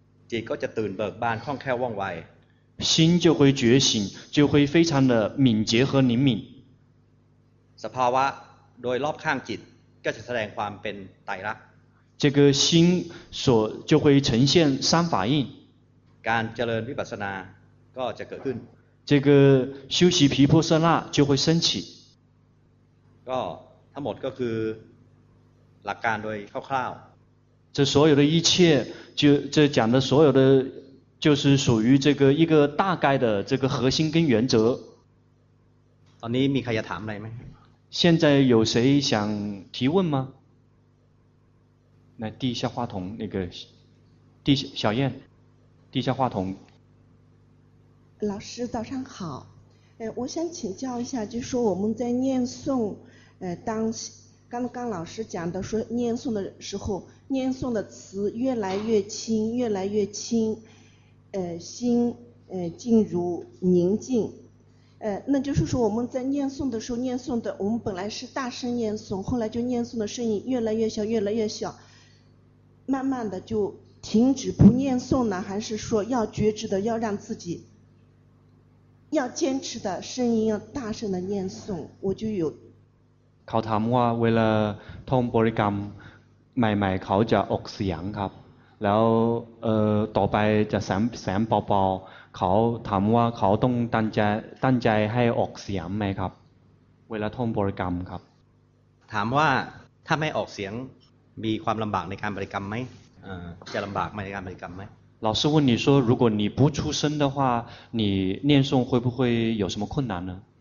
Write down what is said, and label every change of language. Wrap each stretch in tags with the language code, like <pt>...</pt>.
<th>จิตก็จะตื่นเบิกบานคล่องแคล่วว่องไว</th> <zh>心就会觉醒就会非常的敏捷和灵敏</zh> <th>สภาวะโดยรอบข้างจิตก็จะแสดงความเป็นไตรลักษณ์</th> <zh>这个心所就会呈现三法印</zh> <th>การเจริญวิปัสสนาก็จะเกิดขึ้น</th> <zh>这个修习毗婆舍那就会升起</zh> <th>ก็ทั้งหมดก็คือหลักการโดยคร่าว</th> <zh>ๆ这所有的一切就这讲的所有的就是属于这个一个大概的这个核心跟原则</zh> <th>ตอนนี้มีใครจะถามอะไรไหม</th> <zh>现在有谁想提问吗来递一下话筒那个递小燕递一下话筒老师早上好我想请教一下就是说我们在念诵当刚刚老师讲的说念诵的时候念诵的词越来越轻越来越轻心进入宁静那就是说我们在念诵的时候念诵的我们本来是大声念诵后来就念诵的声音越来越小越来越小慢慢的就停止不念诵呢还是说要觉知的要让自己要坚持的声音要大声的念诵我就有</zh> <th>เขาถามว่าเวลาท่องบริกรรมใหม่ๆเขาจะออกเสียงครับแล้วต่อไปจะแสงเบาๆเขาถามว่าเขาต้องตั้งใจให้ออกเสียงไหมครับเวลาท่องบริกรรมครับ ถามว่าถ้าไม่ออกเสียงมีความลำบากในการบริกรรมไหมจะลำบากไหมในการบริกรรมไหม</th> <zh>老师问你说如果你不出声的话你念诵会不会有什么困难呢</zh>